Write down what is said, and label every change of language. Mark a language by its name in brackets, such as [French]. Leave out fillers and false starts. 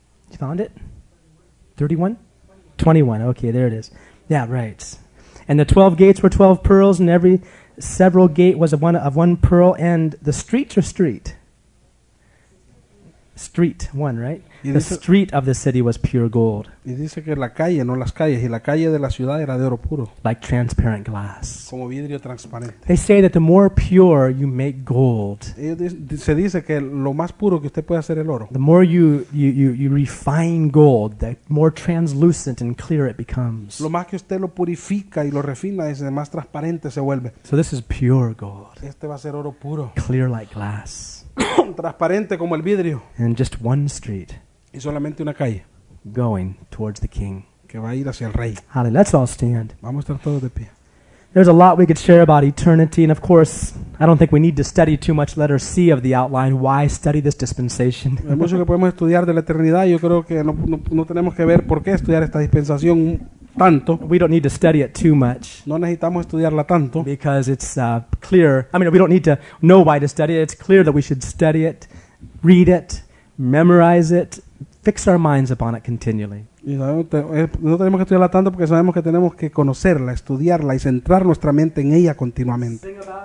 [English] You found it? 31? 21. Okay, there it is. Yeah, right. And the 12 gates were 12 pearls, and every several gate was of one pearl, and the streets are street. Street, one, right? The street of the city was pure gold. [Spanish] Y dice que la calle, no las calles, y la calle de la ciudad era de oro puro. [English] Like transparent glass. [Spanish] Como vidrio transparente. [English] They say that the more pure you make gold, [Spanish] se dice que lo más puro que usted puede hacer el oro. [English] The more you refine gold, the more translucent and clear it becomes. [Spanish] Lo más que usted lo purifica y lo refina, es más transparente se vuelve. [English] So this is pure gold. [Spanish] Este va a ser oro puro. [English] Clear like glass. [Spanish] Transparente como el vidrio. [English] And just one street. [Spanish] Y solamente una calle. [English] Going towards the king. [Spanish] Que va a ir hacia el rey. [English] Hallelujah. Let's all stand. [Spanish] Vamos a estar todos de pie. [English] There's a lot we could share about eternity, and of course, I don't think we need to study too much letter C of the outline. Why study this dispensation? [Spanish] Hay mucho que podemos estudiar de la eternidad. Yo creo que no tenemos que ver por qué estudiar esta dispensación tanto. [English] We don't need to study it too much. [Spanish] No necesitamos estudiarla tanto. [English] Because it's clear. I mean, we don't need to know why to study it. It's clear that we should study it, read it, memorize it, fix our minds upon it continually. [Spanish] No tenemos que estudiarla tanto porque sabemos que tenemos que conocerla, estudiarla y centrar nuestra mente en ella continuamente.